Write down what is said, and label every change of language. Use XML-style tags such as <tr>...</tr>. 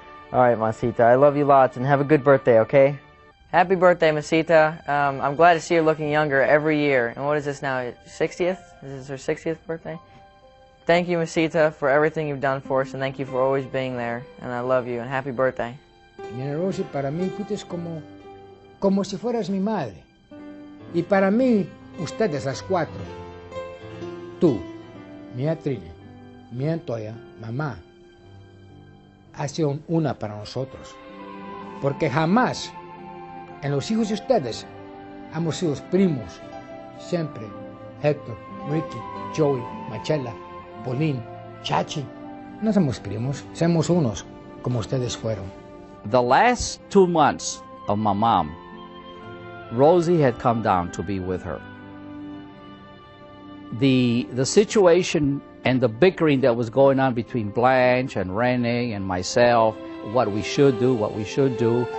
<en>All right, Masita, I love you lots, and have a good birthday, okay? Happy birthday, Masita. I'm glad to see you looking younger every year. And what is this now, 60th? Is this her 60th birthday? Thank you, Masita, for everything you've done for us, and thank you for always being there. And I love you, and happy birthday.</en> <es>Mira, Rosy, para mí, tú eres como si fueras mi madre. Y para mí, ustedes, las cuatro, tú, mi Trini, mi Antoya, mamá, ha sido una para nosotros. Porque jamás en los hijos de ustedes hemos sido primos, siempre, Héctor, Ricky, Joey, Machela, Pauline, Chachi. No somos primos, somos unos, como ustedes fueron.</es> <en>The last 2 months of my mom, Rosie had come down to be with her. The situation and the bickering that was going on between Blanche and Rene and myself, what we should do, what we should do.</en>